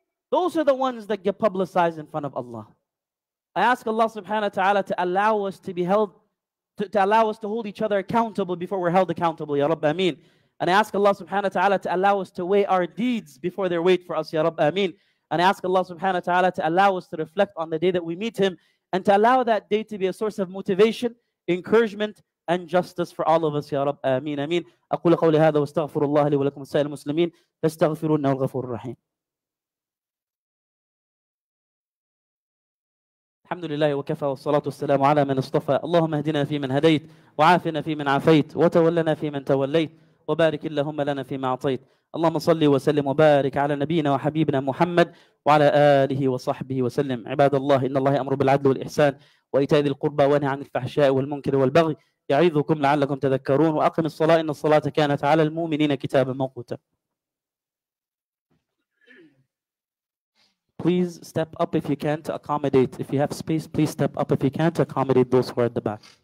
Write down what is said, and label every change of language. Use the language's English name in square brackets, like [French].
[English] Those are the ones that get publicized in front of Allah. I ask Allah subhanahu wa ta'ala to allow us to be held, to allow us to hold each other accountable before we're held accountable, Ya Rabbi, Ameen. And I ask Allah subhanahu wa ta'ala to allow us to weigh our deeds before they're weighed for us, Ya Rabbi, Ameen. And I ask Allah subhanahu wa ta'ala to allow us to reflect on the day that we meet Him and to allow that day to be a source of motivation, encouragement, and justice for all of us, Ya Rabbi, Ameen, Ameen. [Arabic] أقول قولي هذا واستغفر الله لي ولكم سائر المسلمين فاستغفرونه الغفور الرحيم. الحمد لله وكفى والصلاة والسلام على من اصطفى. اللهم اهدنا في من هديت وعافنا في من عافيت وتولنا في من توليت وبارك اللهم لنا فيما أعطيت. اللهم صل وسلم وبارك على نبينا وحبيبنا محمد وعلى آله وصحبه وسلم. عباد الله، إن الله أمر بالعدل والإحسان وإيتاء ذي القربى وينهى عن الفحشاء والمنكر والبغي يعظكم لعلكم تذكرون. وأقم الصلاة، إن الصلاة كانت على المؤمنين كتابا موقوتا. [English] Please step up if you can to accommodate. If you have space, please step up if you can to accommodate those who are at the back.